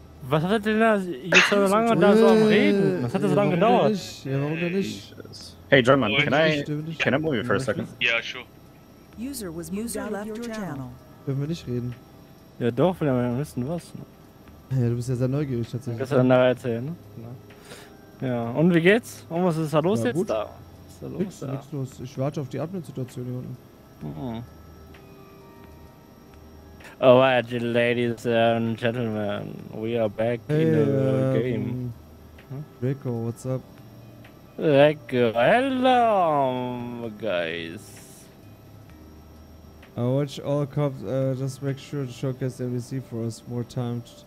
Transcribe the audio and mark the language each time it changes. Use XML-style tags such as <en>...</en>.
<de>Was hat er denn da jetzt so lange da so am Reden? Was hat das so lange gedauert? Ja, warum denn nicht?</de> <en>Hey, German, can I move you for a second? Ja, sure. User was moved out left your channel.</en> <de>Dürfen wir nicht reden? Ja, doch, wenn wir wissen, was. Ja, du bist ja sehr neugierig tatsächlich. Kannst du dann nachher erzählen, ne? Ja, und wie geht's? Und was ist da los jetzt? Gut. Da? Was ist da los? Nichts los. Ich warte auf die Admin-Situation hier unten. Oh.</de> <en>Alright, ladies and gentlemen, we are back in the game. Rico, what's up? Rico, hello, guys. I watch all cops, just make sure to showcase MVC for us more time.</en>